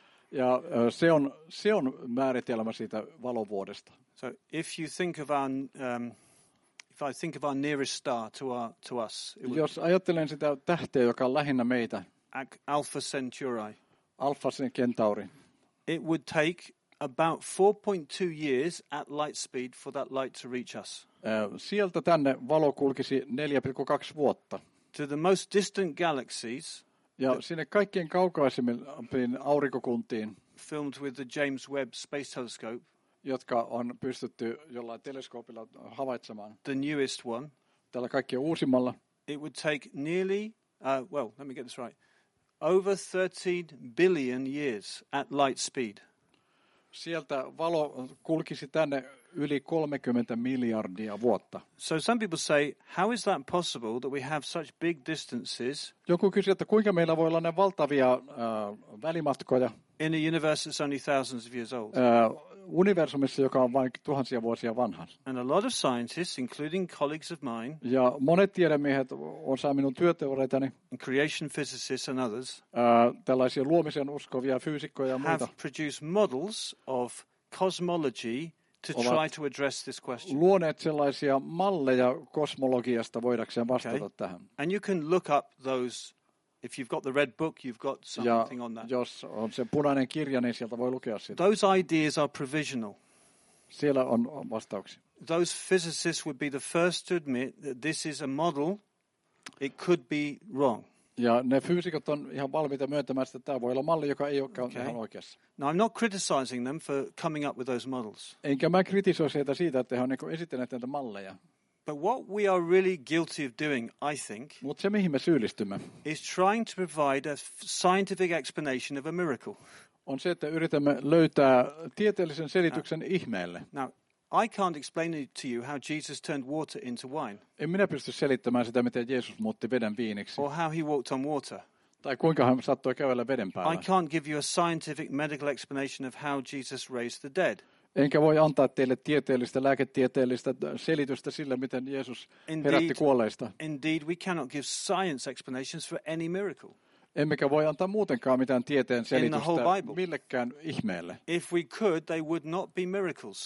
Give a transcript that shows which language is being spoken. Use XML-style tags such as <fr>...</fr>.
<fi>Ja se on määritelmä siitä valovuodesta.</fi> <en>So if you think of our if I think of our nearest star to us,</en> <fi>jos ajattelen sitä tähteä, joka on lähinnä meitä,</fi> <en>Alpha Centauri.</en> <fi>Alpha Centauri.</fi> <en>It would take about 4.2 years at light speed for that light to reach us.</en> <fi>Sieltä tänne valo kulkisi 4.2 vuotta.</fi> <en>To the most distant galaxies,</en> <fi>ja sinne kaikkein kaukaisimpiin aurinkokuntiin,</fi> <en>filmed with the James Webb Space Telescope,</en> <fi>jotka on pystytty jollain teleskoopilla havaitsemaan,</fi> <en>the newest one,</en> <fi>tällä kaikkein uusimmalla,</fi> <en>it would take nearly, well, let me get this right, over 13 billion years at light speed.</en> <fi>Sieltä valo kulkisi tänne yli 30 miljardia vuotta.</fi> <en>So some people say, how is that possible that we have such big distances?</en> <fi>Joku kysyy, että kuinka meillä voi olla näin valtavia välimatkoja?</fi> <en>In a universe that's only thousands of years old.</en> <fi>Universumissa, joka on vain tuhansia vuosia vanha.</fi> <en>And a lot of scientists, including colleagues of mine.</en> <fi>Ja monet tiedemiehet osaa minun työteoreitani.</fi> <en>And creation physicists and others.</en> <fi>Tällaisia luomisen uskovia fyysikkoja ja muita.</fi> <en>Have produced models of cosmology to try to address this question.</en> <fi>Luoneet sellaisia malleja kosmologiasta voidakseen vastata tähän.</fi> <en>And you can look up those, if you've got the red book, you've got something on that.</en> <fi>Jos on se punainen kirja, niin sieltä voi lukea sitä.</fi> <en>Those ideas are provisional.</en> <fi>Siellä on vastauksia.</fi> <en>Those physicists would be the first to admit that this is a model, it could be wrong.</en> <fi>Ja ne fyysikot on ihan valmiita myöntämään, että tämä voi olla malli, joka ei ole ihan oikeassa.</fi> <en>Now, I'm not criticizing them for coming up with those models.</en> <fi>Enkä mä kritisoi sitä siitä, että he on esittäneet näitä malleja.</fi> <en>But what we are really guilty of doing, I think,</en> <fi>mut se, mihin me syyllistymme,</fi> <en>is trying to provide a scientific explanation of a miracle.</en> <fi>On se, että yritämme löytää tieteellisen selityksen ihmeelle.</fi> <en>Now, I can't explain it to you how Jesus turned water into wine.</en> <fi>En minä pysty selittämään sitä, miten Jeesus muutti veden viiniksi.</fi> <en>Or how he walked on water.</en> <fi>Tai kuinka hän saattoi kävellä veden päällä.</fi> <en>I can't give you a scientific medical explanation of how Jesus raised the dead.</en> <fi>Enkä voi antaa teille tieteellistä, lääketieteellistä selitystä sillä, miten Jeesus herätti kuolleista.</fi> <en>Indeed, we cannot give science explanations for any miracle.</en> <fi>Emmekä voi antaa muutenkaan mitään tieteen selitystä millekään ihmeelle.</fi> <en>If we could, they would not be miracles.</en>